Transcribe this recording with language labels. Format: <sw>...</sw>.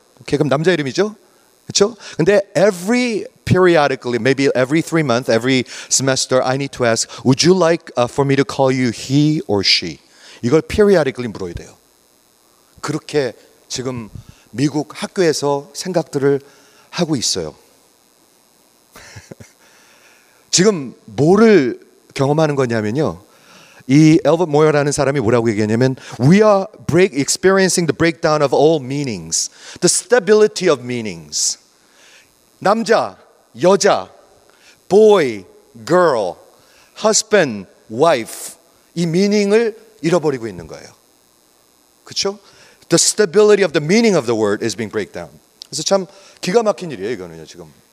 <ko>오케이, 그럼 남자 이름이죠, 그렇죠? 근데</ko> <en>every periodically, maybe every 3 months, every semester, I need to ask, would you like for me to call you he or she?</en> <ko>이걸 periodically 물어야 돼요. 그렇게 지금 미국 학교에서 생각들을 하고 있어요. 지금 뭐를 경험하는 거냐면요. 이 엘버트 모어라는 사람이 뭐라고 얘기하냐면</ko> <en>We are break, experiencing the breakdown of all meanings. The stability of meanings.</en> <ko>남자, 여자,</ko> <en>boy, girl, husband, wife.</en> <ko>이 meaning을 잃어버리고 있는 거예요. 그렇죠?</ko> <en>The stability of the meaning of the word is being broken down.</en> <ko>그래서 참 기가 막힌 일이에요, 이거는요, 지금.</ko>